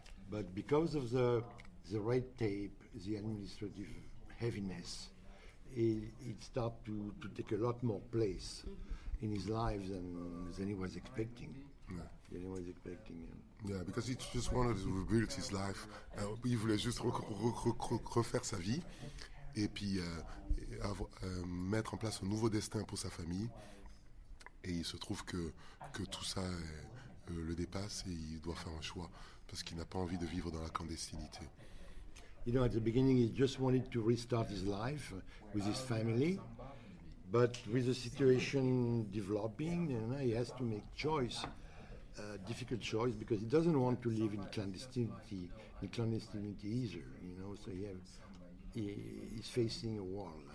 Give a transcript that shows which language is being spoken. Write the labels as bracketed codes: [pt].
[en] But because of the red tape, the administrative heaviness, it started to take a lot more place in his life than he was expecting. Yeah. Than he was expecting. Him. Yeah, because he just wanted to rebuild his life. [fr] Il voulait juste refaire sa vie et puis mettre en place un nouveau destin pour sa famille. Et il se trouve que tout ça le dépasse et il doit faire un choix parce qu'il n'a pas envie de vivre dans la clandestinité. [en] You know, at the beginning, he just wanted to restart his life with his family, but with the situation developing, you know, he has to make choice. Difficult choice because he doesn't want to live in clandestinity either, you know, so he's facing a wall.